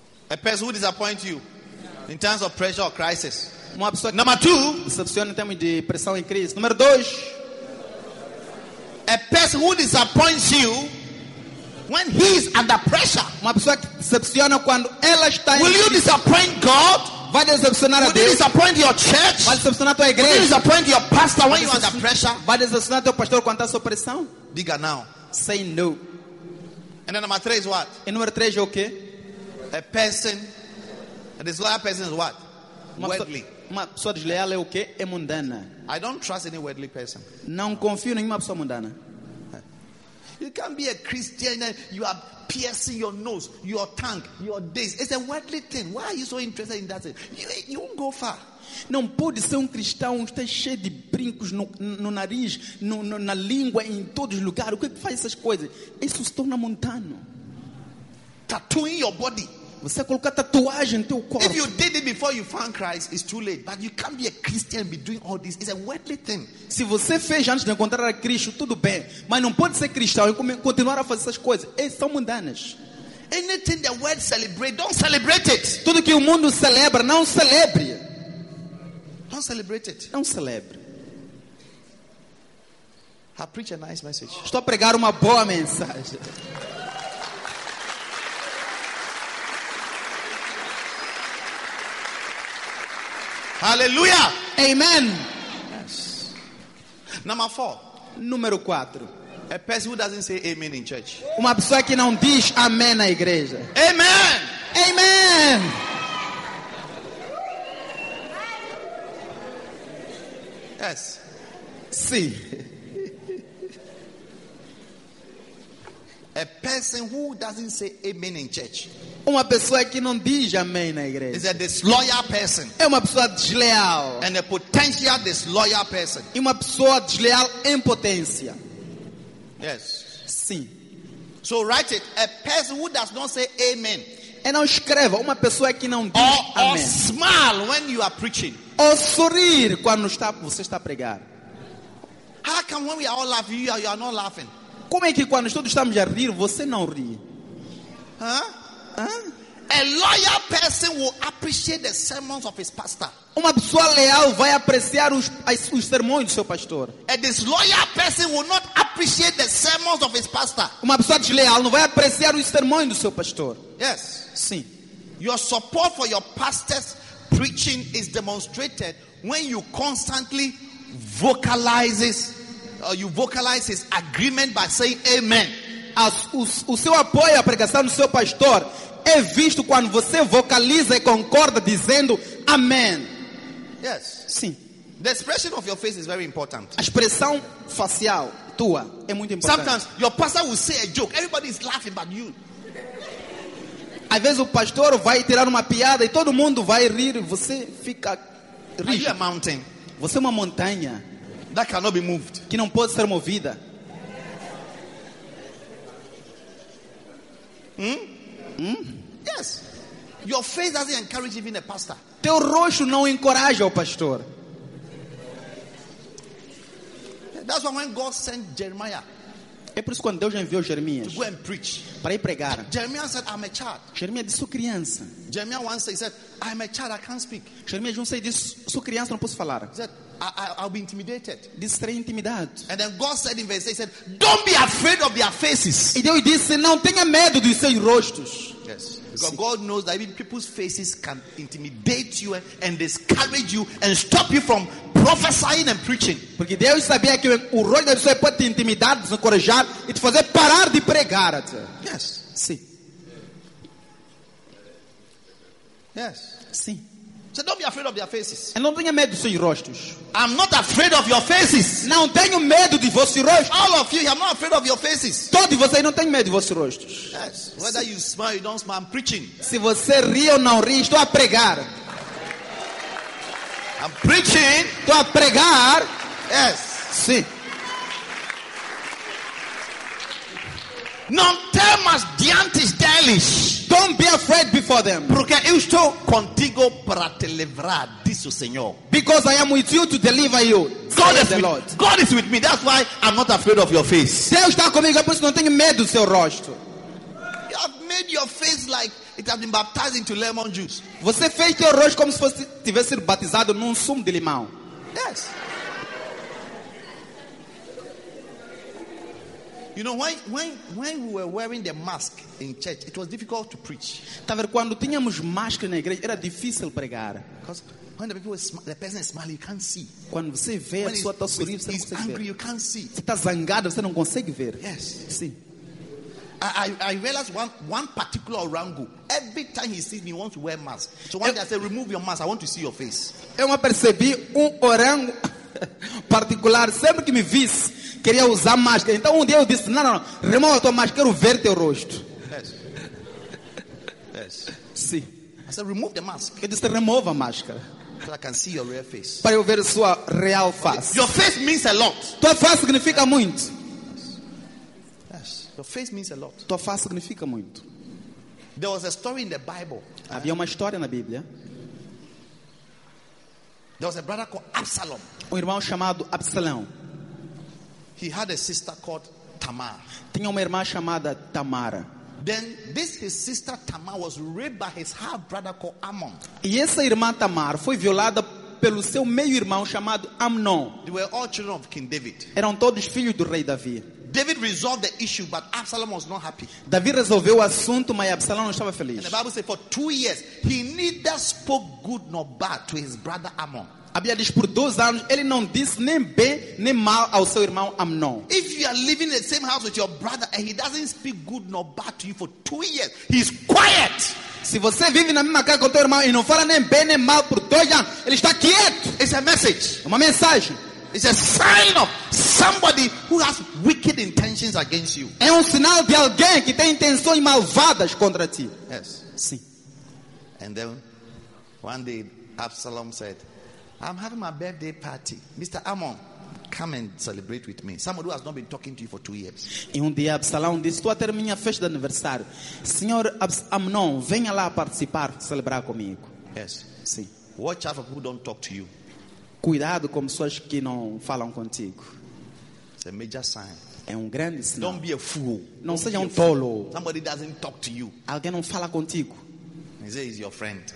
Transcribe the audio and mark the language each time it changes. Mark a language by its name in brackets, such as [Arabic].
[English] A person who disappoints you in terms of pressure or crisis. [Portuguese] Uma pessoa que [English] number two, [Portuguese] decepciona em termos de pressão e crise. Número dois, [English] a person who disappoints you when he is under pressure. [Portuguese] Uma pessoa que decepciona quando ela está em [English] crise. Will you disappoint God? [Portuguese] Vai decepcionar a Deus? [English] Will you disappoint your church? [Portuguese] Vai decepcionar a tua igreja? [English] Will you disappoint your pastor when you are under pressure? [Portuguese] Vai decepcionar teu pastor quando está sob pressão? Diga now. [English] Say no. And then number three is what? [Portuguese] E número três é o quê? [English] A person, a disloyal person is what? Worldly. [Portuguese] Uma pessoa desleal é o quê? É mundana. [English] I don't trust any worldly person. [Portuguese] Não confio nenhuma pessoa mundana. [English] You can't be a Christian and you are piercing your nose, your tongue, your days. It's a worldly thing. Why are you so interested in that thing? You won't go far. [Portuguese] Não pode ser um cristão que está cheio de brincos no nariz, na língua, em todos os lugares. O que faz essas coisas? Isso se torna mundano. [English] Tattooing your body. [Portuguese] Você coloca tatuagem no teu corpo. [English] If you did it before you found Christ, it's too late. But you can't be a Christian and be doing all this. It's a worldly thing. [Portuguese] Se você fez antes de encontrar a Cristo, tudo bem. Mas não pode ser cristão e continuar a fazer essas coisas. São mundanas. [English] Anything the world celebrate, don't celebrate it. [Portuguese] Tudo que o mundo celebra, não celebre. [English] Don't celebrate it. [Portuguese] Não celebre. [English] I preach a nice message. [Portuguese] Estou a pregar uma boa mensagem. [English] Hallelujah. Amen. Yes. Number four. [Portuguese] Número quatro. [English] A person who doesn't say amen in church. [Portuguese] Uma pessoa que não diz amém na igreja. [English] Amen. Amen. Yes. [Portuguese] Sim. [English] A person who doesn't say amen in church. [Portuguese] Uma pessoa que não diz amém na igreja. [English] Is a disloyal person. [Portuguese] É uma pessoa desleal. [English] And a potential disloyal person. [Portuguese] E uma pessoa desleal em potência. [English] Yes. [Portuguese] Sim. [English] So write it. A person who does not say amen. [Portuguese] E não escreva. Uma pessoa que não diz amém. [English] Or smile when you are preaching. [Portuguese] Ou sorrir quando você está a pregar. [English] How come when we are all laughing, you are not laughing? [Portuguese] Como é que quando todos estamos a rir, você não ri? [English] A loyal person will appreciate the sermons of his pastor. [Portuguese] Uma pessoa leal vai apreciar os sermões do seu pastor. [English] A disloyal person will not appreciate the sermons of his pastor. [Portuguese] Uma pessoa desleal não vai apreciar os sermões do seu pastor. [English] Yes. [Portuguese] Sim. [English] Your support for your pastor's preaching is demonstrated when you constantly vocalize his agreement by saying amen. [Portuguese] O seu apoio à pregação do seu pastor é visto quando você vocaliza e concorda dizendo amém. [English] Yes. [Portuguese] Sim. [English] The expression of your face is very important. [Portuguese] A expressão facial tua é muito importante. [English] Sometimes your pastor will say a joke, everybody is laughing but you. [Portuguese] Às vezes o pastor vai tirar uma piada e todo mundo vai rir, você fica rígido. [English] Are you a mountain? [Portuguese] Você é uma montanha. [English] That cannot be moved. [Portuguese] Que não pode ser movida. [English] Yes. Your face doesn't encourage even a pastor. [Portuguese] Teu rosto não encoraja o pastor. [English] That's why when God sent Jeremiah. [Portuguese] É por isso quando Deus enviou Jeremias. [English] To go and preach. [Portuguese] Para ir pregar. [English] Jeremiah said, I'm a child. [Portuguese] Jeremias disse, sou criança. [English] Jeremiah once said, I'm a child, I can't speak. [Portuguese] Jeremias disse, sou criança, não posso falar. [English] He said, I'll be intimidated. [Portuguese] Disse, serei intimidado. [English] And then God said in verse 8, he said, don't be afraid of their faces. [Portuguese] E Deus disse, não tenha medo dos seus rostos. [English] Yes. Because sim. God knows that even people's faces can intimidate you and discourage you and stop you from prophesying and preaching. [Portuguese] Porque Deus sabia que o rosto da pessoa pode te intimidar, desencorajar e te fazer parar de pregar. [English] Yes. [Portuguese] Sim. [English] Yes. [Portuguese] Sim. [English] So don't be afraid of their faces. [Portuguese] E não tenha medo dos seus rostos. [English] I'm not afraid of your faces. [Portuguese] Não tenho medo de vossos rostos. [English] All of you, I'm not afraid of your faces. [Portuguese] Todos vocês não têm medo de vossos rostos. [English] Yes. Whether you smile, you don't smile, I'm preaching. [Portuguese] Se você ri ou não ri, estou a pregar. [English] I'm preaching. [Portuguese] Estou a pregar. [English] Yes. [Portuguese] Sim. Não temas diante deles. [English] Don't be afraid before them. [Portuguese] Porque eu estou contigo para te livrar, diz o Senhor. [English] Because I am with you to deliver you. God is the Lord. God is with me. That's why I'm not afraid of your face. [Portuguese] Deus está comigo, por isso não tenho medo do seu rosto. [English] You have made your face like it has been baptized into lemon juice. [Portuguese] Você fez teu rosto como se fosse tivesse sido batizado num sumo de limão. [English] Yes. You know, when we were wearing the mask in church, it was difficult to preach. [Portuguese] Quando tínhamos máscara na igreja, era difícil pregar. [English] Because when the people the person is smiling, you can't see. [Portuguese] Quando você vê a pessoa está sorrindo, você não consegue [English] angry, [Portuguese] ver. [English] Angry, you can't see. [Portuguese] Você está zangado, você não consegue ver. [English] Yes. [Portuguese] Sim. [English] I realized one particular orango, every time he sees me, he wants to wear mask. So one day I said, remove your mask, I want to see your face. [Portuguese] Eu percebi orango particular, sempre que me visse, queria usar máscara. Então um dia eu disse, não, remove a tua máscara, quero ver teu rosto. [English] Yes. Yes. [Portuguese] Sim. [English] I said, remove the mask. [Portuguese] Ele disse, remove a máscara. [English] So I can see your real face. [Portuguese] Para eu ver a sua real face. [English] Your face means a lot. [Portuguese] Tua face significa muito. [English] Your face means a lot. [Portuguese] Tua face significa muito. [English] There was a story in the Bible. [Portuguese] Havia uma história na Bíblia. [English] There was a brother called Absalom. [Portuguese] Irmão chamado Absalão. [English] He had a sister called Tamar. [Portuguese] Tinha uma irmã chamada Tamara. [English] Then this his sister Tamar was raped by his half brother called Amnon. [Portuguese] E essa irmã Tamar foi violada pelo seu meio irmão chamado Amnon. [English] They were all children of King David. [Portuguese] Eram todos filhos do rei Davi. [English] David resolved the issue, but Absalom was not happy. [Portuguese] Davi resolveu o assunto, mas Absalom não estava feliz. [English] And the Bible says for 2 years he neither spoke good nor bad to his brother Amnon. [Portuguese] A Bíblia diz por 2 anos ele não disse nem bem nem mal ao seu irmão Amnon. [English] If you are living in the same house with your brother and he doesn't speak good nor bad to you for 2 years, he's quiet. [Portuguese] Se você vive na mesma casa com teu irmão e não fala nem bem nem mal por 2 anos, ele está quieto. [English] It's a message. [Portuguese] É uma mensagem. [English] It's a sign of somebody who has wicked intentions against you. [Portuguese] É sinal de alguém que tem intenções malvadas contra ti. [English] Yes. [Portuguese] Sim. [English] And then one day Absalom said, I'm having my birthday party. Mr. Amnon, come and celebrate with me. Somebody who has not been talking to you for 2 years. [Portuguese] E dia Absalom disse, estou a ter minha festa de aniversário. Senhor Amnon, venha lá participar, celebrar comigo. [English] Yes. [Portuguese] Sim. [English] Watch out for people who don't talk to you. [Portuguese] Cuidado com pessoas que não falam contigo. [English] It's a major sign. [Portuguese] É grande sinal. [English] Don't be a fool. [Portuguese] Não seja tolo. [English] Somebody doesn't talk to you. [Portuguese] Alguém não fala contigo. [English] He says he's your friend.